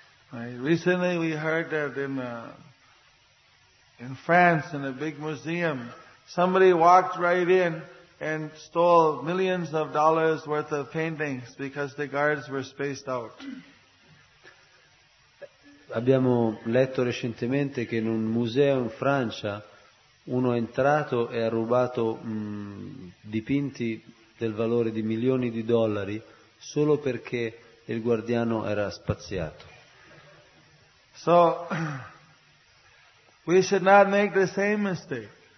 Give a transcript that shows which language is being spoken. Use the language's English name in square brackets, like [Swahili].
[English] Recently we heard that in France, in a big museum, somebody walked right in and stole millions of dollars worth of paintings because the guards were spaced out. [Italian] Abbiamo letto recentemente che in un museo in Francia uno è entrato e ha rubato dipinti del valore di milioni di dollari solo perché il guardiano era spaziato. [English] So, we should not make the same mistake.